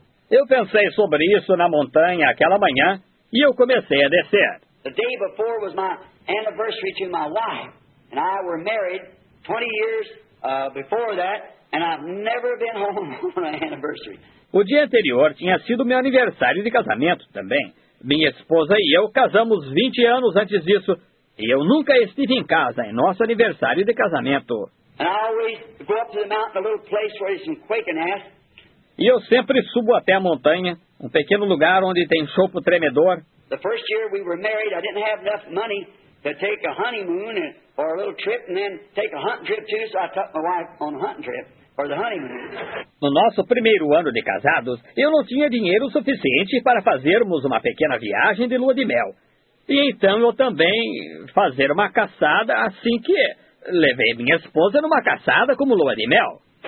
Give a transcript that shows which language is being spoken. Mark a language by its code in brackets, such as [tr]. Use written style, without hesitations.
[pt] Eu pensei sobre isso na montanha aquela manhã, e eu comecei a descer. [en] The day before was my anniversary to my wife, and I were married 20 years before that, and I've never been home on an anniversary. [pt] O dia anterior tinha sido meu aniversário de casamento também. Minha esposa e eu casamos 20 anos antes disso, e eu nunca estive em casa em nosso aniversário de casamento. [en] And I always go up to the mountain, a little place where there's some quaking ass. [pt] E eu sempre subo até a montanha, um pequeno lugar onde tem chopo tremedor. [en] The first year we were married, I didn't have enough money to take a honeymoon or a little trip and then take a hunting trip too, so I took my wife on a hunting trip for the honeymoon. [pt] No nosso primeiro ano de casados, eu não tinha dinheiro suficiente para fazermos uma pequena viagem de lua de mel. E então eu também fazer uma caçada assim que levei minha esposa numa caçada como lua de mel.